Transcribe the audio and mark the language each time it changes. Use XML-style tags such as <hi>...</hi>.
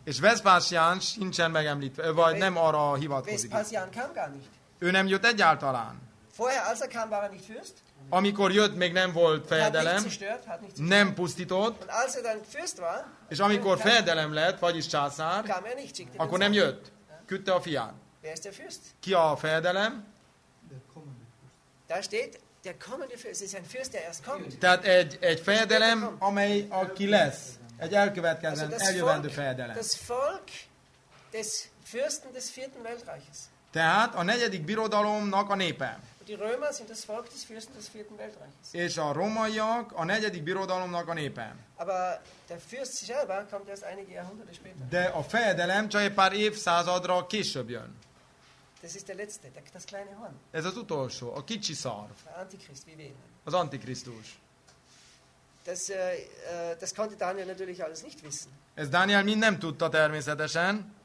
<hu>És Vespasian sincsen megemlítve, vagy nem arra hivatkozik.</hu> <de>Vespasian kam gar nicht.</de> <hu>Ő nem jött egyáltalán.</hu> <de>Vorher als er kam, war er nicht Fürst.</de> <hu>Amikor jött, még nem volt fejedelem, nem pusztított, és amikor fejedelem lett, vagyis császár, akkor nem jött, küldte a fiát.</hu> <de>Wer ist der Fürst?</de> <hu>Ki a fejedelem?</hu> <de>Der kommende Fürst. Da steht, der kommende Fürst. Es ist ein Fürst, der erst kommt.</de> <hu>Tehát egy fejedelem, amely aki lesz. Egy elkövetkezendő, eljövendő fejedelem.</hu> <de>Das Volk des Fürsten des vierten Weltreiches.</de> <hu>Tehát a negyedik birodalomnak a népe.</hu> <de>Die Römer sind das Volk des Fürsten des vierten Weltreiches.</de> <hu>És a romaiak a negyedik birodalomnak a népe.</hu> <de>Aber der Fürst selber kommt erst einige Jahrhunderte später.</de> <hu>De a fejedelem csak egy pár évszázadra később jön.</hu> <de>Das ist der letzte, das kleine Horn.</de> <hu>Ez az utolsó, a kicsi szarv.</hu> <de>Antichrist, wie wir.</de> <hu>Az Antikrisztus.</hu> <de>Das konnte Daniel natürlich alles nicht wissen.</de> <hu>Ez Daniel mind nem tudta természetesen.</hu>